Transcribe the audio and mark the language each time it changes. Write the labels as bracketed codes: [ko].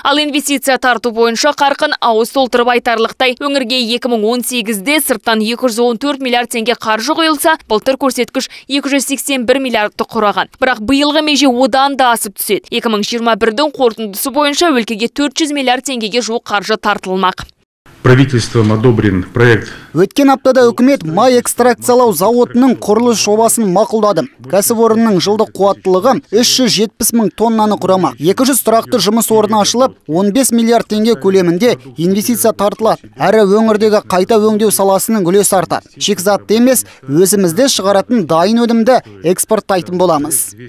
[kk] Ал инвестиция тарту бойынша қарқын ауыз толтырып айтарлықтай. Өңірге 2018-де сырттан 214 миллиард теңге қаржы құйылса, былтыр көрсеткіш 281 миллиардты құраған. Бірақ биылғы меже одан да асып түседі. 2021-дің қорытындысы бойынша өлкеге 400 миллиард теңгеге жуық қаржы тартылмақ. [ru] Правительством одобрен проект. [kk] Өткен аптада үкімет май экстракциялау зауытының құрылыс жобасын мақұлдады. Кәсіпорынның жылдық қуаттылығы 370 мың тоннаны құрама. 200 тұрақты жұмыс орны ашылып, 15 миллиард теңге көлемінде инвестиция тартылады. Әрі өңірдегі қайта өңдеу саласының үлесі артады. Шикізатты емес, өзімізде шығаратын дайын өнімді экспорттайтын боламыз.